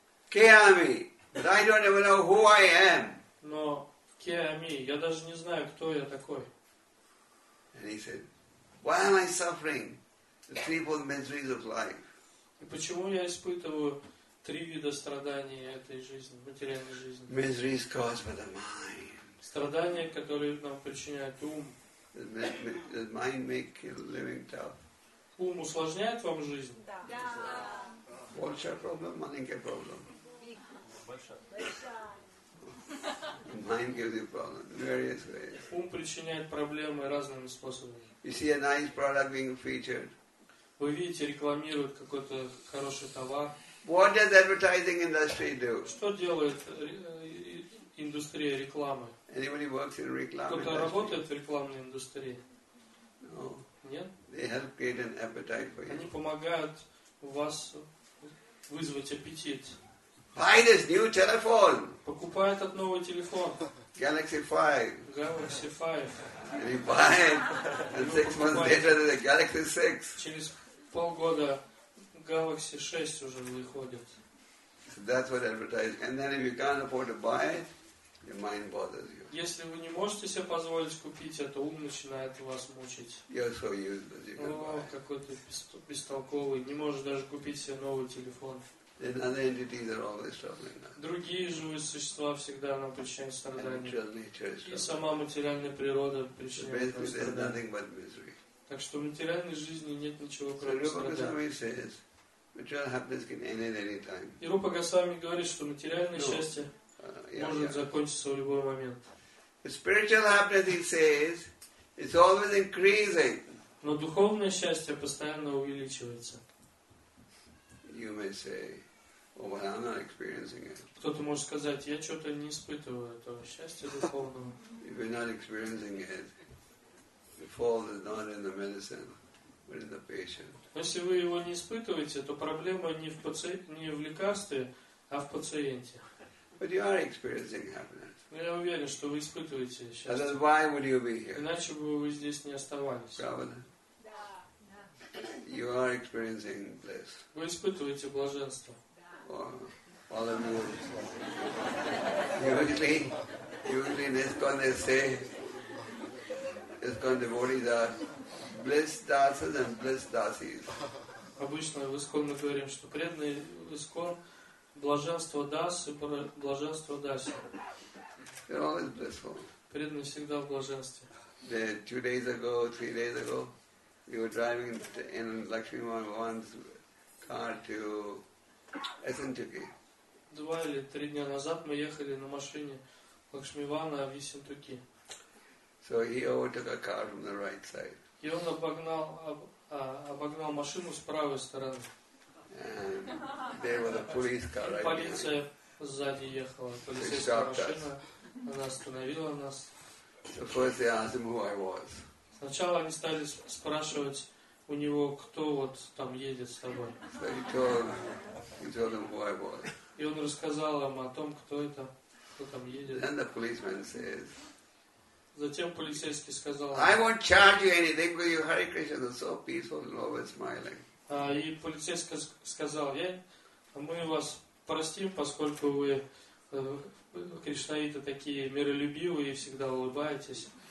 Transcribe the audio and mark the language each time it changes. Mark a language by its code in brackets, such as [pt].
[en] Кеами, but I don't even know who I am. [ru] Но Кеами, я даже не знаю, кто я такой. [en] And he said, why am I suffering the threefold miseries of life? [ru] И почему я испытываю три вида страданий этой жизни, материальной жизни? [en] Miseries caused by the mind. [ru] Страдания, которые нам причиняют ум. [en] The mind make living tough. [ru] Ум усложняет вам жизнь. Да. Большая проблема, маленькая проблема. Большая. [en] Mind gives you problems various ways. [ru] Ум причиняет проблемы разными способами. [en] You see a nice product being featured. [ru] Вы видите, рекламируют какой-то хороший товар. [en] What does advertising industry do? [ru] Что делает индустрия рекламы? [en] Anybody works in reklam industry? [ru] Кто-то работает в рекламной индустрии? [en] No. [ru] Нет? [en] They help create an appetite for you. [ru] Они помогают у вас вызвать аппетит. [en] Buy this new telephone. [ru] Покупай этот новый телефон. [en] Galaxy 5. [ru] Galaxy 5. [en] And you buy it, and 6 months later, there's a Galaxy 6. [ru] Через полгода Galaxy 6 уже выходит. [en] So that's what advertising. And then, if you can't afford to buy it, your mind bothers you. [ru] Если вы не можете себе позволить купить это, ум начинает вас мучить. [en] You're so useless. You can't buy. [ru] Oh, какой-то бестолковый. Не можешь даже купить себе новый телефон. [en] And other entities are always troubling us. [ru] Другие живые существа всегда нам причиняют страдания. [en] And nature is troubling. [ru] И сама материальная природа причиняет нам страдания. [en] There's nothing but misery. [ru] Так что в материальной жизни нет ничего, кроме страдания. [en] So Rupa Goswami says, material happiness can end at any time. [ru] И Рупа Госвами говорит, что материальное счастье может закончиться в любой момент. [en] The spiritual happiness, he says, is always increasing. [ru] Но духовное счастье постоянно увеличивается. [en] You may say, "Oh, well, I'm not experiencing it." [ru] Кто-то может сказать, я что-то не испытываю этого счастья духовного. [en] If you're not experiencing it, the fault is not in the medicine, but in the patient. [ru] Если вы его не испытываете, то проблема не в лекарстве, а в пациенте. [en] But you are experiencing happiness. [ru] Но я уверен, что вы испытываете счастье. [en] Then why would you be here? [ru] Иначе бы вы здесь не оставались. Правда? [en] You are experiencing bliss. [ru] Вы испытываете блаженство. [en] All of you. Usually in ISKCON they say, ISKCON devotees are bliss dasas and bliss dasis. [ru] Обычно в ISKCON мы говорим, что преданные в ISKCON блаженство дас и блаженство даси. [en] They're always blissful. [ru] Преданные всегда в блаженстве. [en] Three days ago, we were driving in Lakshmi Mohan's car to Essentuki. [ru] Два или три дня назад мы ехали на машине Лакшми Вана в Есентуки. [en] So he overtook a car from the right side. [ru] И он обогнал машину с правой стороны. [en] And there was a police car right behind. [ru] Полиция сзади ехала. Полицейская машина. Она остановила нас. [en] So first they asked him who I was. [ru] Сначала они стали спрашивать у него, кто вот там едет с тобой. [en] So he told them who I was. [ru] И он рассказал им о том, кто это, кто там едет. [en] Then the policeman says, [ru] затем полицейский сказал, [en] I won't charge you anything, because you Hare Krishna, so peaceful and always smiling. [ru] И полицейский сказал, мы вас простим, поскольку вы, кришнаиты, такие миролюбивые и всегда улыбаетесь.